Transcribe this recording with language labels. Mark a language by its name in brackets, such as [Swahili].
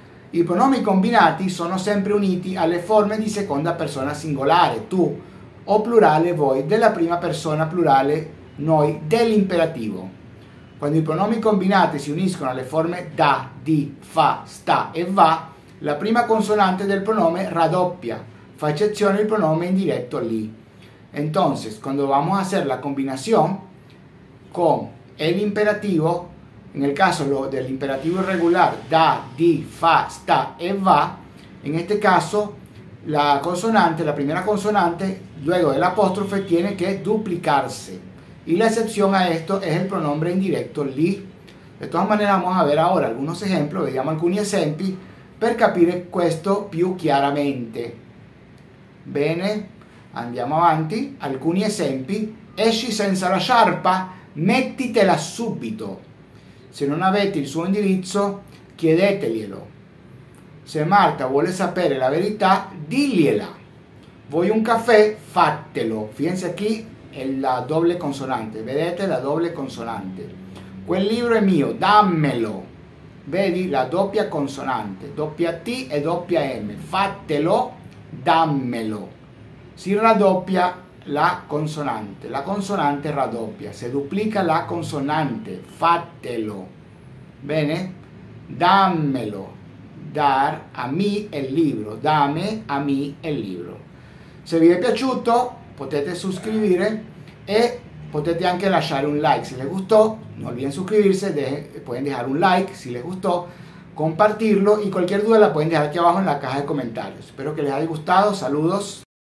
[Italian] I pronomi combinati sono sempre uniti alle forme di seconda persona singolare, tu, o plurale, voi, della prima persona plurale, noi, dell'imperativo. Quando i pronomi combinati si uniscono alle forme da, di, fa, sta e va, la prima consonante del pronome raddoppia, fa eccezione il pronome indiretto lì. [Spanish] Entonces, [Italian] quando [Spanish] vamos a hacer la combinación con el imperativo, en el caso del imperativo irregular, da, di, fa, sta e va, en este caso, la primera consonante, luego del apóstrofe, tiene que duplicarse. Y la excepción a esto es el pronombre indiretto lì. De todas maneras, vamos a ver ahora algunos ejemplos, [Italian] vediamo alcuni esempi, per capire questo più chiaramente. Bene, andiamo avanti. Alcuni esempi. Esci senza la sciarpa, mettitela subito. Se non avete il suo indirizzo, chiedeteglielo. Se Marta vuole sapere la verità, digliela. Vuoi un caffè? Fatelo. [Spanish] Fíjense [Italian] qui, è [Spanish] la doble consonante. [Italian] Vedete [Spanish] la doble consonante. [Italian] Quel libro è mio, dammelo. Vedi la doppia consonante, doppia T e doppia M. Fatelo, dammelo. Si raddoppia la consonante. La consonante raddoppia. [Spanish] Se duplica la consonante, [Italian] fatelo. Bene? [Spanish] Dammelo. Dar a mi el libro. Dame a mi el libro. [Italian] Se vi è piaciuto, potete [Spanish] suscribire [Italian] e potete anche lasciare un like. [Spanish] Se les gustó, no olviden suscribirse. Pueden dejar un like si les gustó. Compartirlo y cualquier duda la pueden dejar aquí abajo en la caja de comentarios. Espero que les haya gustado. Saludos.